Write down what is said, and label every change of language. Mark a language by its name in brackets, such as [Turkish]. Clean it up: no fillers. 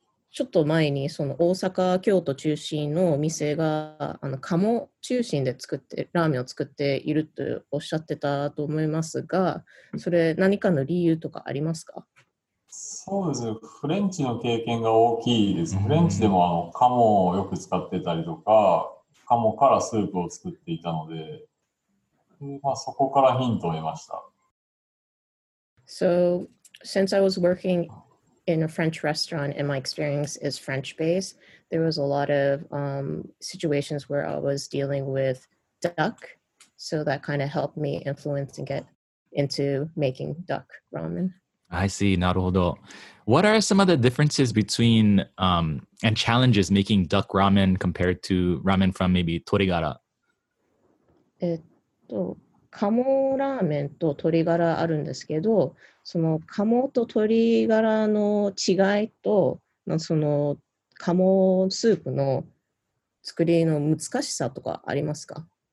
[Japanese] ちょっと前にその大阪、京都中心のお店があの鴨中心で作ってラーメンを作っているとおっしゃってたと思いますが、それ何かの理由とかありますか？そうですね、フレンチの経験が大きいです。フレンチでもあの鴨をよく使ってたりとか、鴨からスープを作っていたので、まあ、そこからヒントを得ました。 [English] So, since I was workingin a French restaurant, and my experience is French-based, there was a lot of situations where I was dealing with duck, so that kind of helped me influence and get into making duck ramen. I see, [Japanese] なるほど。 [English] What are some of the differences between and challenges making duck ramen compared to ramen from maybe 鶏ガラ？ [Japanese] 鴨ラーメンと鶏ガラあるんですけど、その鴨と鶏ガラの違いと、その鴨スープの作りの難しさとかありますか？